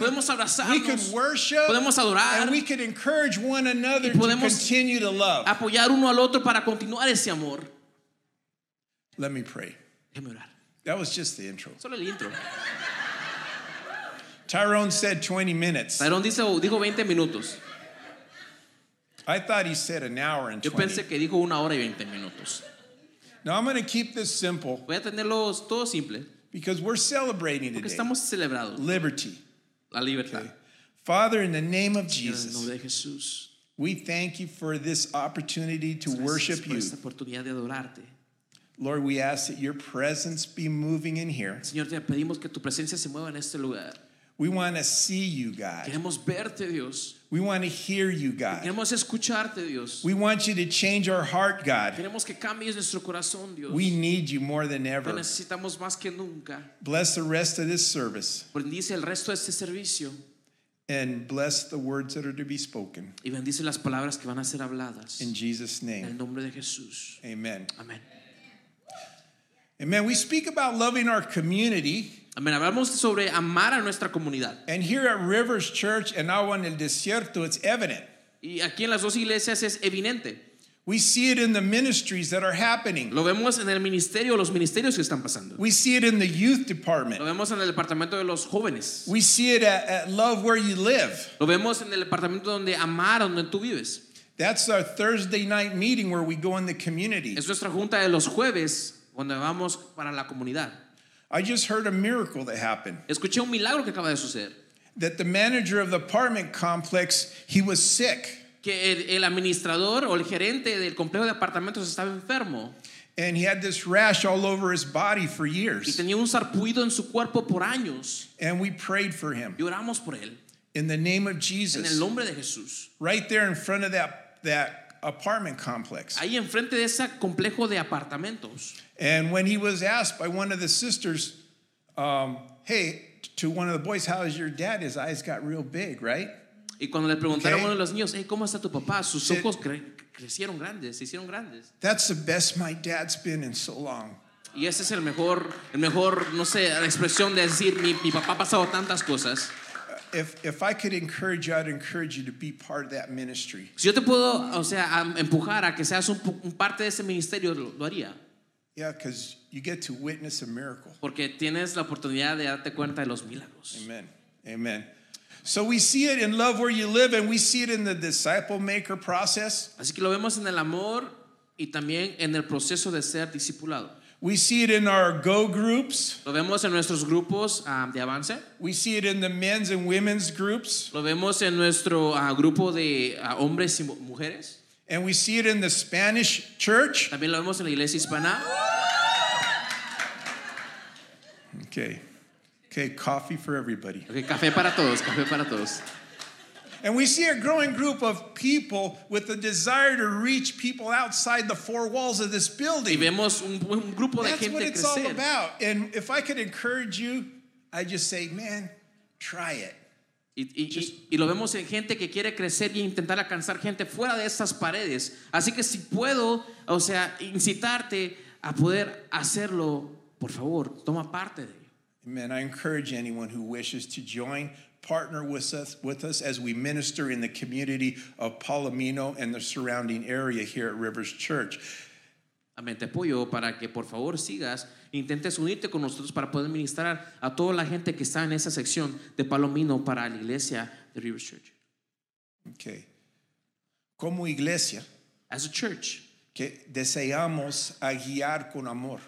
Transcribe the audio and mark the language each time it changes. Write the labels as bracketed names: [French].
[Spanish] Podemos abrazarnos. [English] We could worship. [Spanish] Podemos adorar. [English] And we could encourage one another to continue to love. [Spanish] Apoyar uno al otro para continuar ese amor. [English] Let me pray. [Spanish] Déjeme orar. [English] That was just the intro. [Spanish] Solo el intro. [English] Tyrone said 20 minutes. [Spanish] Tyrone dijo 20 minutos. [English] I thought he said an hour and 20. [Spanish] Yo pensé que dijo una hora y 20 minutos. [English] Now I'm going to keep this simple. [Spanish] Voy a tenerlo todo simple. [English] Because we're celebrating [Spanish] Porque [English] today. [Spanish] Estamos celebrando. [English] Liberty. [Spanish] La libertad. Okay. [English] Father, in the name of Jesus. [Spanish] En el nombre de Jesús. [English] We thank you for this opportunity to worship you. [Spanish] Por esta oportunidad de adorarte. [English] Lord, we ask that your presence be moving in here. [Spanish] Señor, te pedimos que tu presencia se mueva en este lugar. [English] We want to see you, God. [Spanish] Queremos verte, Dios. [English] We want to hear you, God. [Spanish] Queremos escucharte, Dios. [English] We want you to change our heart, God. [Spanish] Queremos que cambies nuestro corazón, Dios. [English] We need you more than ever. [Spanish] Te necesitamos más que nunca. [English] Bless the rest of this service. [Spanish] Bendice el resto de este servicio. [English] And bless the words that are to be spoken. [Spanish] Y bendice las palabras que van a ser habladas. [English] In Jesus' name. [Spanish] En el nombre de Jesús. [English] Amen. Amen. Amen. We speak about loving our community. [Spanish] Amen. Hablamos sobre amar a nuestra comunidad. [English] And here at Rivers Church and now in [Spanish] el desierto, [English] it's evident. [Spanish] Y aquí en las dos iglesias es evidente. [English] We see it in the ministries that are happening. [Spanish] Lo vemos en el ministerio, los ministerios que están pasando. [English] We see it in the youth department. [Spanish] Lo vemos en el departamento de los jóvenes. [English] We see it at Love Where You Live. [Spanish] Lo vemos en el departamento donde amar, donde tú vives. [English] That's our Thursday night meeting where we go in the community. [Spanish] Es nuestra junta de los jueves cuando vamos para la comunidad. [English] I just heard a miracle that happened. [Spanish] Escuché un milagro que acaba de suceder. [English] That the manager of the apartment complex, he was sick. [Spanish] Que el administrador o el gerente del complejo de apartamentos estaba enfermo. [English] And he had this rash all over his body for years. [Spanish] Y tenía un sarpullido en su cuerpo por años. [English] And we prayed for him. [Spanish] Y oramos por él. [English] In the name of Jesus. [Spanish] En el nombre de Jesús. [English] Right there in front of that apartment complex. [Spanish] Ahí enfrente de ese complejo de apartamentos. [English] And when he was asked by one of the sisters, hey, to one of the boys, how is your dad? His eyes got real big, right? [Spanish] Y cuando le preguntaron a uno de los niños, hey, ¿cómo está tu papá? Sus ojos crecieron grandes, se hicieron grandes. [English] That's the best my dad's been in so long. [Spanish] Y ese es el mejor, no sé, la expresión de decir, mi papá ha pasado tantas cosas. [English] If I could encourage you, I'd encourage you to be part of that ministry. [Spanish] Si yo te puedo, o sea, empujar a que seas un parte de ese ministerio, lo haría. [English] Yeah, because you get to witness a miracle. [Spanish] Porque tienes la oportunidad de darte cuenta de los milagros. [English] Amen. Amen. So we see it in Love Where You Live, and we see it in the disciple maker process. [Spanish] Así que lo vemos en el amor y también en el proceso de ser discipulado. [English] We see it in our go groups. [Spanish] Lo vemos en nuestros grupos de avance. [English] We see it in the men's and women's groups. [Spanish] Lo vemos en nuestro grupo de hombres y mujeres. [English] And we see it in the Spanish church. [Spanish] También lo vemos en la iglesia hispana. [English] Okay, coffee for everybody. [Spanish] Okay, café para todos, café para todos. [English] And we see a growing group of people with the desire to reach people outside the four walls of this building. [Spanish] Y vemos un grupo de [English] That's [Spanish] gente [English] what it's [Spanish] crecer. [English] All about. And if I could encourage you, I just say, man, try it. [Spanish] Y lo vemos en gente que quiere crecer y intentar alcanzar gente fuera de esas paredes. Así que si puedo, o sea, incitarte a poder hacerlo, por favor, toma parte de ello. [English] Amen. I encourage anyone who wishes to join, partner with us as we minister in the community of Palomino and the surrounding area here at Rivers Church. [Spanish] Amén. Te apoyo para que por favor sigas. Intentes unirte con nosotros para poder ministrar a toda la gente que está en esa sección de Palomino para la iglesia de Rivers Church. Okay. Como iglesia, [English] as a church, [Spanish] que deseamos a guiar con amor.